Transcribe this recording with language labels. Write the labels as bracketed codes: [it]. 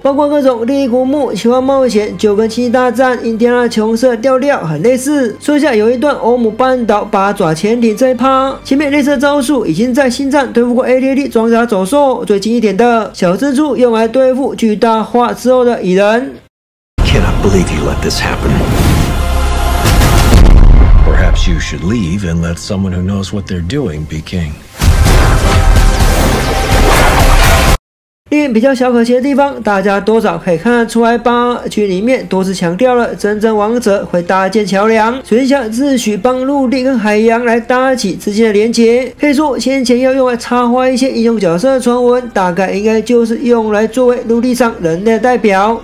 [zh] 包括各种猎鹰古墓、奇幻冒险、九跟七大战、印第安纳琼斯调调很类似。说一下，有一段欧姆半岛八爪潜艇这一趴，前面类似的招数已经在星战对付过 AT-AT 装甲走兽，最近一点的小蜘蛛用来对付巨大化之后的蚁人。 [en] I cannot believe you let this happen. Perhaps you should leave and let someone who knows what they're doing be king. [zh] 电影比较小可惜的地方，大家多少可以看得出来吧。剧里面多次强调了真正王者会搭建桥梁，水星侠自诩帮陆地跟海洋来搭起之间的连结，可以说先前要用来插花一些英雄角色的传闻，大概应该就是用来作为陆地上人类的代表。